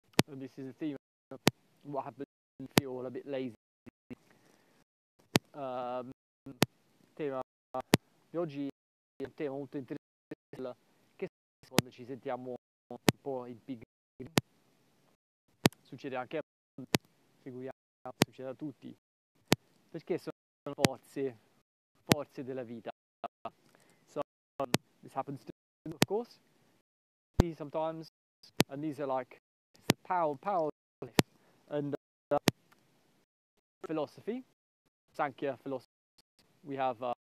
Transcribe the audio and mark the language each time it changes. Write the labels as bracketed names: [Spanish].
[English] And this is the theme of what happened. Feel a bit lazy. [Italian] Tema di oggi è un tema molto interessante, che quando ci sentiamo un po' in pigri succede anche a noi, figuriamoci, succede a tutti, perché sono forze della vita. [English] So this happens to them, of course, sometimes, and these are like the power of life. And philosophy, thank you philosophy, we have